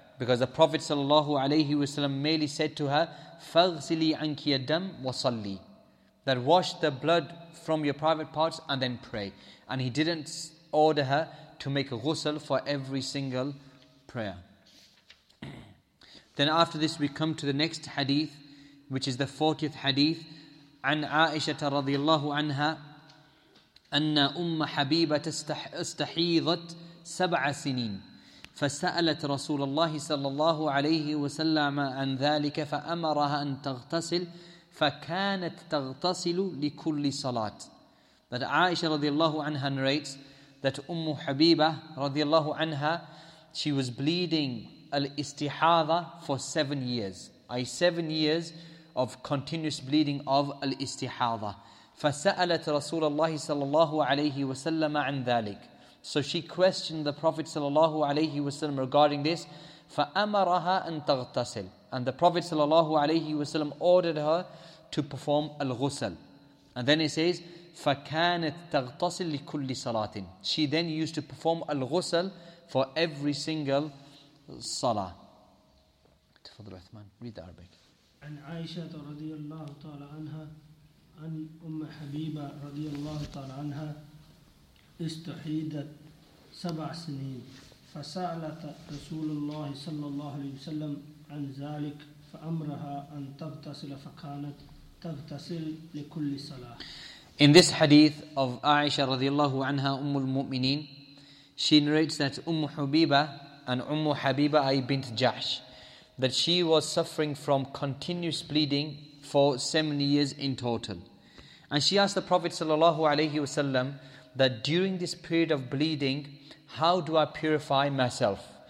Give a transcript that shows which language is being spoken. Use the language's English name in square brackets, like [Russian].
[English] Because the Prophet sallallahu alayhi wa sallam merely said to her, فَغْسِلِي عَنْكِ يَدَّمْ وَصَلِّي. That wash the blood from your private parts and then pray. And he didn't order her to make a ghusl for every single prayer. Then after this we come to the next hadith, which is the 40th hadith. [Arabic] عن عائشة رضي الله عنها أن أم حبيبة استحيضت سبع سنين فسألت رسول الله صلى الله عليه وسلم عن ذلك فأمرها أن تغتسل فكانت تغتسل لكل صلاة. [English] That Aisha radiallahu anha narrates that Ummu Habiba radiallahu anha, she was bleeding al-istihadha for 7 years. 7 years of continuous bleeding of al-istihadha. [Arabic] فسألت رسول الله صلى الله عليه وسلم عن ذلك. [English] So she questioned the Prophet sallallahu alayhi wa sallam regarding this. فَأَمَرَهَا أَن تَغْتَسِلْ. And the Prophet sallallahu alayhi wa sallam ordered her to perform al-ghusl. And then he says, فَكَانَتْ تَغْتَسِلْ لِكُلِّ صَلَاتٍ. She then used to perform al-ghusl for every single salah. تفضل عثمان, read the Arabic. [Arabic] عن عائشة رضي الله تعالى عنها عن أم حبيبة رضي الله تعالى عنها استحيدت سبع سنين فسألت رسول الله صلى الله عليه وسلم عن ذلك فأمرها أن تغتسل فكانت تغتسل لكل صلاة. [English] In this hadith of Aisha رضي الله عنها أم المؤمنين, she narrates that Ummu Habiba and Ummu Habiba Ay bint Jahsh, that she was suffering from continuous bleeding for 7 years in total. And she asked the Prophet sallallahu alayhi wasallam that during this period of bleeding, how do I purify myself?